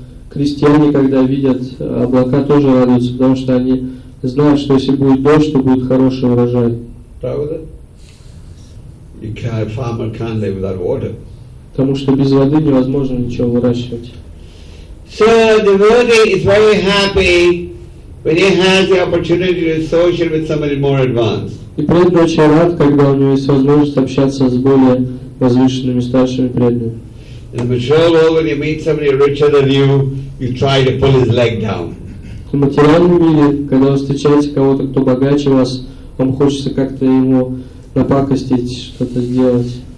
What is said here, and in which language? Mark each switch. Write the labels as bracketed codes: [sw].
[ru] Крестьяне, когда видят облака, тоже радуются, потому что они знают, что если будет дождь, то будет хороший урожай. Правда? [en] A farmer can't live without water. То [ru] Потому что без воды невозможно ничего выращивать. [en] So the devotee is very happy when he has the opportunity to associate with somebody more advanced. [ru] И преданный рад, когда у него есть возможность общаться с более возвышенными старшими преданными. [en] And the material world, when you meet somebody richer than you, you try to pull his leg down. [ru] В материальном мире, когда вы встречаете кого-то, кто богаче вас, вам хочется как-то ему напакостить, что-то сделать.